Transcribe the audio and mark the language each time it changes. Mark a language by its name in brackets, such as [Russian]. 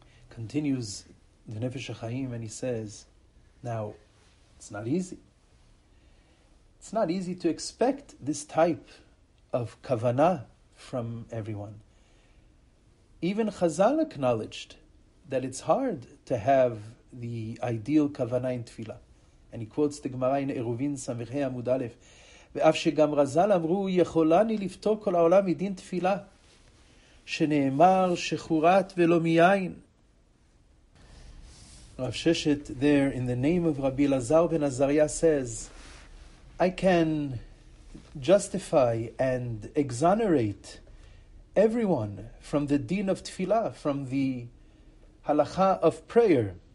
[English] Continues the Nefesh HaChaim, and he says, now, it's not easy. It's not easy to expect this type of kavanah from everyone. Even Chazal acknowledged that it's hard to have the ideal kavanah in tefillah. [Hebrew] And he quotes the Gemara in Eruvin Samechei Amud Aleph, ואף שגם רזל אמרו, יכולני לפתור כל העולם מדין תפילה, שנאמר שחורת ולא מיין. [English] Rav Sheshet there, in the name of Rabbi Lazar ben Azariah, says, I can justify and exonerate everyone from the din of tefillah, from the halakha of prayer.